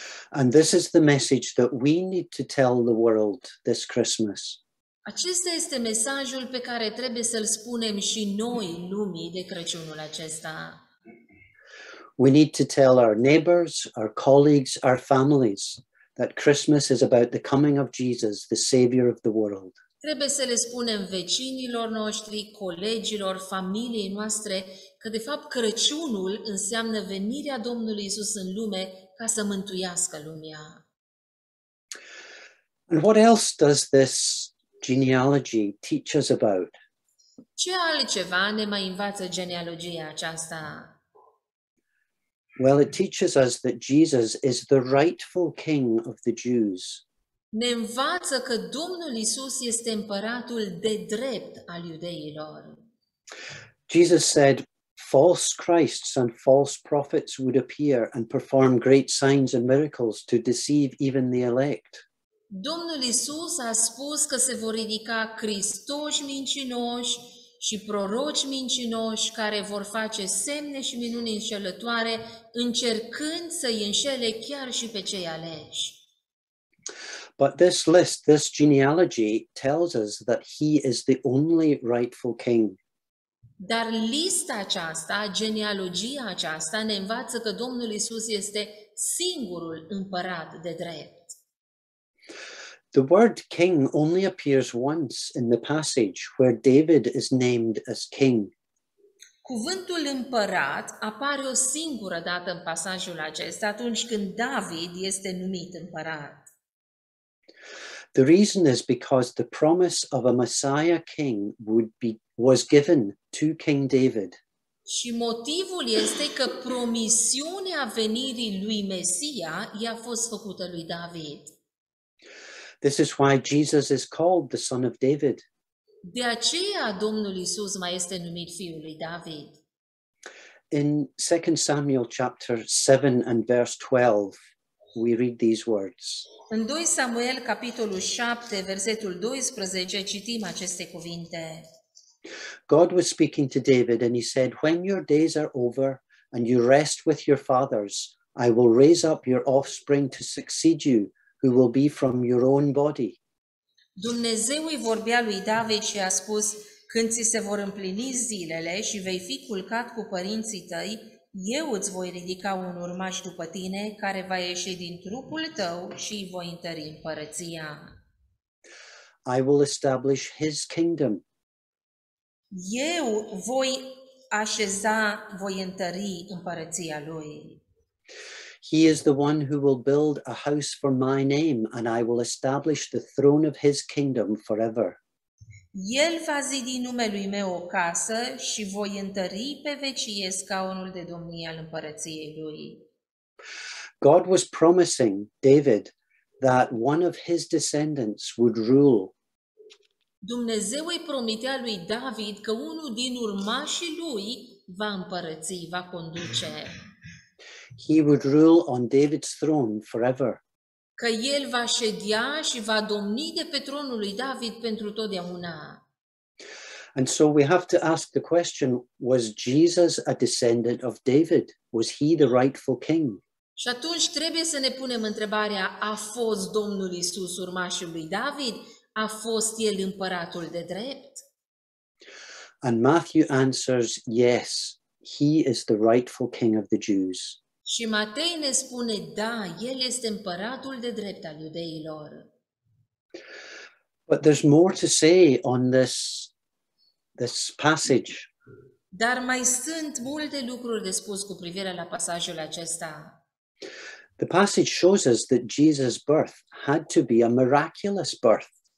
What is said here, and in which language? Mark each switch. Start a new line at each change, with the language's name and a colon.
English: And this is the message that we need to tell the world this Christmas.
Romanian: Acesta este mesajul pe care trebuie să-l spunem și noi lumii de Crăciunul acesta.
English: We need to tell our neighbors, our colleagues, our families that Christmas is about the coming of Jesus, the Savior of the world.
Romanian: Trebuie să le spunem vecinilor noștri, colegilor, familiei noastre că de fapt Crăciunul înseamnă venirea Domnului Isus în lume ca să mântuiască lumea.
English: And what else does this genealogy teach us about?
Romanian: Ce altceva ne mai învață genealogia aceasta?
English: Well, it teaches us that Jesus is the rightful king of the Jews.
Romanian: Ne învață că Domnul Iisus este împăratul de drept al iudeilor.
English: Jesus said, false Christs and false prophets would appear and perform great signs and miracles to deceive even the elect.
Romanian: Domnul Iisus a spus că se vor ridica Hristoși mincinoși și proroci mincinoși care vor face semne și minuni înșelătoare, încercând să-i înșele chiar și pe cei aleși.
English: But this list, this genealogy, tells us that he is the only rightful king.
Romanian: Dar lista aceasta, genealogia aceasta, ne învață că Domnul Iisus este singurul împărat de drept.
English: The word king only appears once in the passage where David is named as king.
Romanian: Cuvântul împărat apare o singură dată în pasajul acesta, atunci când David este numit împărat.
English: The reason is because the promise of a Messiah king was given to King David.
Romanian: Și motivul este că promisiunea venirii lui Mesia i-a fost făcută lui David.
English: This is why Jesus is called the Son of David.
Romanian: De aceea Domnul Iisus mai este numit fiul lui David.
English: In 2 Samuel chapter 7 and verse 12, we read these words.
Romanian: În 2 Samuel capitolul 7, versetul 12, citim aceste cuvinte.
English: God was speaking to David and he said, when your days are over and you rest with your fathers, I will raise up your offspring to succeed you, who will be from your own body.
Romanian: Dumnezeu îi vorbea lui David și a spus, când ți se vor împlini zilele și vei fi culcat cu părinții tăi, eu îți voi ridica un urmaș după tine care va ieși din trupul tău și îi voi întări împărăția.
English: I will establish his kingdom.
Romanian: Eu voi așeza, voi întări împărăția lui.
English: He is the one who will build a house for my name and I will establish the throne of his kingdom forever.
Romanian: El va zidi numelui meu o casă și voi întări pe vecie scaunul de domnie al împărăției lui.
English: God was promising David that one of his descendants would rule.
Romanian: Dumnezeu îi promitea lui David că unul din urmașii lui va împărăți, va conduce.
English: He would rule on David's throne forever.
Romanian: Că el va ședea și va domni de pe tronul lui David pentru totdeauna.
English: And so we have to ask the question, was Jesus a descendant of David? Was he the rightful king?
Romanian: Și atunci trebuie să ne punem întrebarea, a fost Domnul Iisus urmașul lui David? A fost el împăratul de drept?
English: And Matthew answers, yes, he is the rightful king of the Jews.
Romanian: Și Matei ne spune, da, el este împăratul de drept al iudeilor.
English: But there's more to say on this passage.
Romanian: Dar mai sunt multe lucruri de spus cu privire la pasajul acesta.
English: The passage shows us that Jesus' birth had to be a miraculous birth.